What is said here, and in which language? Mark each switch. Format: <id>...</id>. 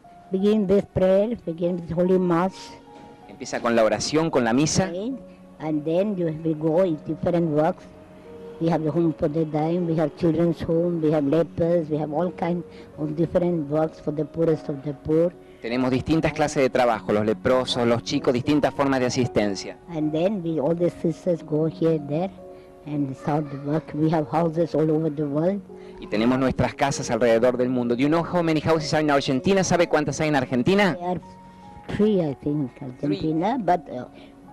<en>Begin with prayer, begin with holy mass.</en> <es>Empieza con la oración, con la misa.</es> <en>And then you will go in different works. We have the home for the dying, we have children's home, we have lepers, we have all kinds of different works for the poorest of the poor.</en> <es>Tenemos distintas clases de trabajo, los leprosos, los chicos, distintas formas de asistencia.</es> <en>And then all the sisters go here and there. And start the work. We have houses all over the world.</en> <es>Y tenemos nuestras casas alrededor del mundo.</es> <en>Do you know how many houses are in Argentina?</en> <es>¿Sabe cuántas hay en Argentina?</es> <en>There are three, I think, Argentina. Three. But</en>